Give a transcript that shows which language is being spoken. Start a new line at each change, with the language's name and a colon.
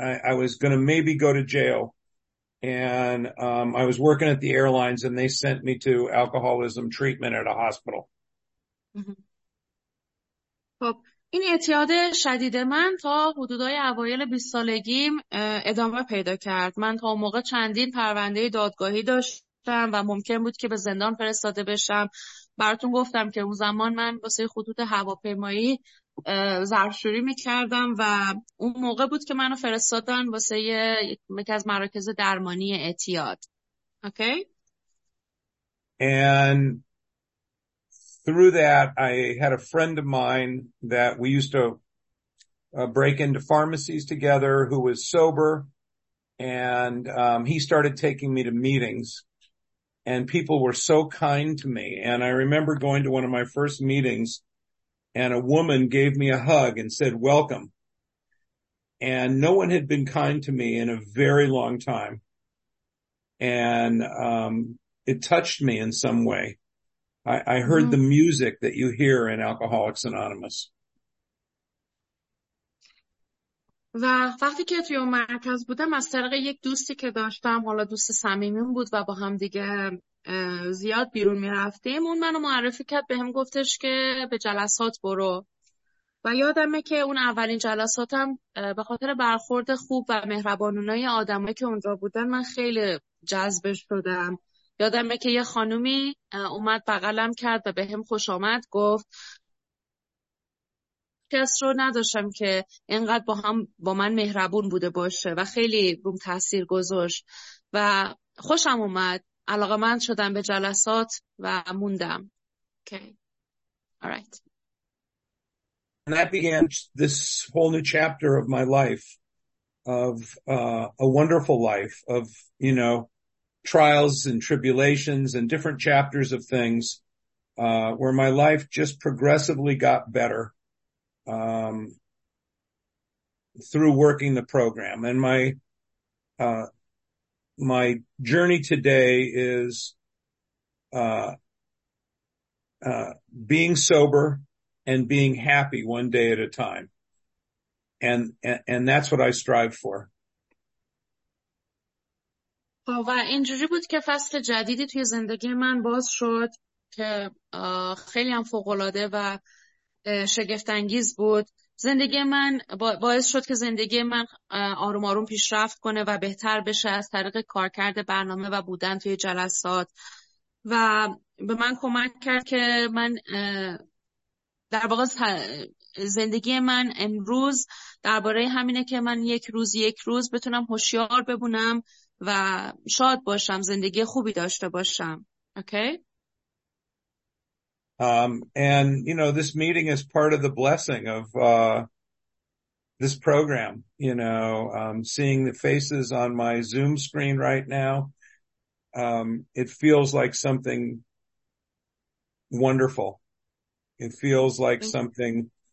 English: I was going to maybe go to jail. And I was working at the airlines and they sent me to alcoholism treatment at a hospital. Mm-hmm.
Persian: خب این اعتیاد شدید من تا حدودای اوایل 20 سالگیم ادامه پیدا کرد. من تا اون موقع چندین پرونده دادگاهی داشتم و ممکن بود که به زندان فرستاده بشم. براتون گفتم که اون زمان من واسه خطوط هواپیمایی ظرفشویی می‌کردم و اون موقع بود که منو فرستادن واسه یکی از مراکز درمانی اعتیاد.
English: Okay? And through that, I had a friend of mine that we used to break into pharmacies together who was sober, and he started taking me to meetings, and people were so kind to me. And I remember going to one of my first meetings, and a woman gave me a hug and said, welcome. And no one had been kind to me in a very long time, and it touched me in some way. I heard the music that you hear in Alcoholics Anonymous.
Persian: و وقتی که توی اون مرکز بودم از طریق یک دوستی که داشتم حالا دوست صمیمیم بود و با هم دیگه زیاد بیرون می رفتیم اون منو معرفی کرد به هم گفتش که به جلسات برو و یادمه که اون اولین جلساتم به خاطر برخورد خوب و مهربانونای آدمایی که اونجا بودن من خیلی جذبش شدم یادمه که یه خانومی اومد بغلم کرد و به هم خوش آمد گفت کس رو نداشتم که اینقدر با هم با من مهربون بوده باشه و خیلی روم تاثیر گذاشت و خوشم اومد علاقه من شدم به جلسات و موندم.
English: Okay. All right. And that began this whole new chapter of my life of a wonderful life of, you know, trials and tribulations and different chapters of things where my life just progressively got better through working the program. And my my journey today is being sober and being happy one day at a time. And that's what I strive for.
Persian: و اینجوری بود که فصل جدیدی توی زندگی من باز شد که خیلی هم فوق‌العاده و شگفت‌انگیز بود. زندگی من باعث شد که زندگی من آروم آروم پیشرفت کنه و بهتر بشه از طریق کارکرد برنامه و بودن توی جلسات و به من کمک کرد که من در واقع زندگی من امروز درباره همینه که من یک روز بتونم هوشیار بمونم و شاد باشم زندگی خوبی داشته باشم.
English: Okay. And you know this meeting is part of the blessing of this program, you know, seeing the faces on my Zoom screen right now. It feels like something wonderful. It feels like something